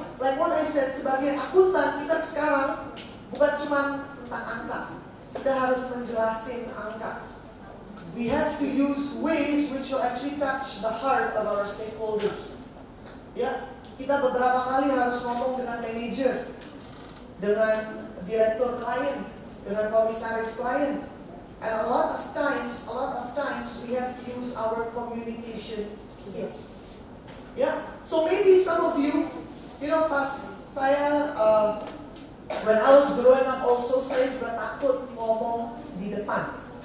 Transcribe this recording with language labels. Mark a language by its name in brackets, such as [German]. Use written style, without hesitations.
[English] Like what I said, [Indonesian] sebagai akuntan, kita sekarang bukan cuma tentang angka. Kita harus menjelasin angka. [English] We have to use ways which will actually touch the heart of our stakeholders. [Indonesian] Ya, kita beberapa kali harus ngomong dengan manager, dengan direktur klien, dengan komisaris klien. [English] And a lot of times, we have to use our communication skill. Yeah. So maybe some of you, you know, [Indonesian] pas saya [English] when I was growing up also, [Indonesian] saya juga takut ngomong di depan.